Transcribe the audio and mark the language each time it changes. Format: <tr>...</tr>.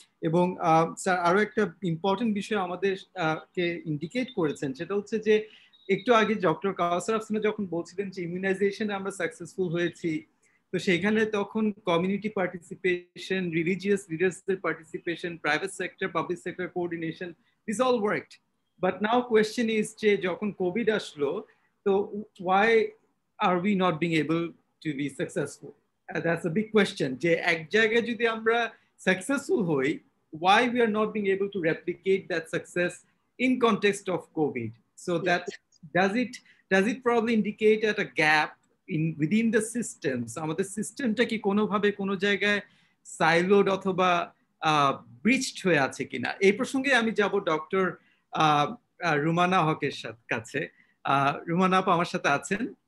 <bn>এবং স্যার আরও একটা ইম্পর্টেন্ট বিষয় আমাদেরকে ইন্ডিকেট করেছেন, সেটা হচ্ছে যে একটু আগে ডক্টর কাওসার আফসানা যখন বলছিলেন যে ইমিউনাইজেশনে আমরা সাকসেসফুল হয়েছি, তো সেখানে তখন community participation, religious লিডার্সদের participation, private sector, public sector coordination,</bn> <en>This all worked. But now question is,</en> <bn>যে যখন কোভিড আসলো তো</bn> <en>why are we not being able to be successful? That's a big question.</en> <bn>যে এক জায়গায় যদি আমরা successful হই,</bn> <en>why we are not being able to replicate that success in context of COVID? So that, does it probably indicate at a gap in within the systems?</en> <bn>আমাদের সিস্টেমটা কি কোনোভাবে কোনো জায়গায় সাইলোড অথবা ব্রিচড হয়ে আছে কিনা? এই প্রসঙ্গে আমি যাব ডক্টর রুমানা হকের কাছে। রুমানা আপা আমার সাথে আছেন?</bn>